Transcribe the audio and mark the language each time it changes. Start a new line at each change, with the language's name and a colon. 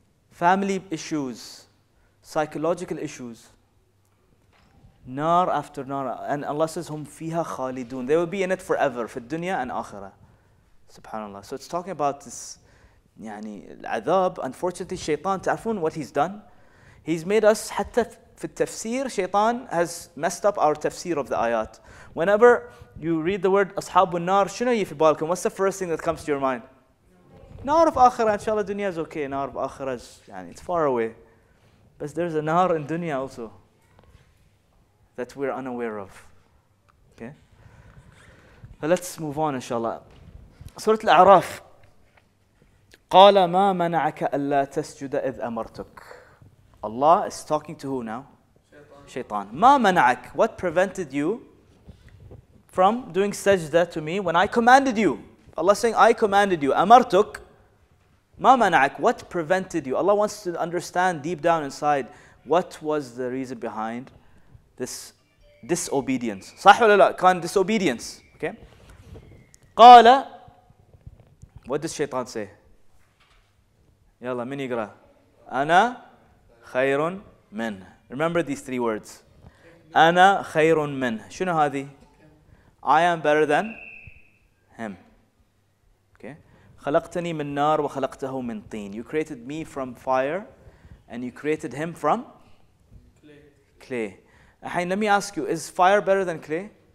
English: Family issues, psychological issues, nar after nar, and Allah says
Arabic: hum fiha khalidun.
English: They will be in it forever, fi dunya and akhirah. SubhanAllah. So it's talking about this,
Arabic: yani al-adab.
English: Unfortunately, shaitan, ta'afun what he's done? He's made us, hatta
Arabic: في التفسير شيطان
English: has messed up our tafsir of the ayat. Whenever you read the word أصحاب النار,
Arabic: شنو يجي في بالكم?
English: What's the first thing that comes to your mind?
Arabic: نار في آخرة, إن شاء الله الدنيا
English: is okay.
Arabic: نار في آخرة, يعني
English: it's far away. But there's a نار in dunya also that we're unaware of. Okay? But let's move on, inshallah. سورة الأعراف.
Arabic: قال ما منعك ألا تسجد إذ أمرتك.
English: Allah is talking to who now? Shaitan.
Arabic: ما منعك?
English: What prevented you from doing sajda to me when I commanded you? Allah is saying, I commanded you. أمرتك.
Arabic: ما منعك?
English: What prevented you? Allah wants to understand deep down inside what was the reason behind this disobedience.
Arabic: صح ولا لا? كان
English: disobedience. Okay. قال. What does Shaitan say?
Arabic: يلا من يقرا أنا خير من.
English: Remember these three words.
Arabic: أنا خير من. شنو هذه?
English: I am better than him. Okay.
Arabic: خلقتني من نار وخلقته من طين.
English: You created me from fire, and you created him from clay. Clay. Let me ask you: is fire better than clay?